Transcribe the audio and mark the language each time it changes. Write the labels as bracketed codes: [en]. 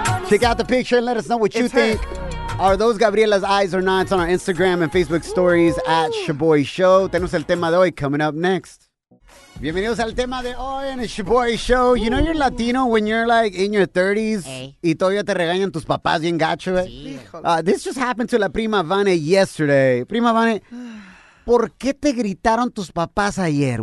[en] Check out the picture and let us know what you think. Are those Gabriela's eyes or not? It's on our Instagram and Facebook stories at Shaboy Show. [es] Tenemos el tema de hoy [en] coming up next. [es] Bienvenidos al tema de hoy en el Shaboy Show. [en] You know you're Latino when you're like in your 30s [es] y todavía te regañan tus papás bien gacho. [en] This just happened to la prima Vane yesterday. [es] Prima Vane, ¿por qué te gritaron tus papás ayer?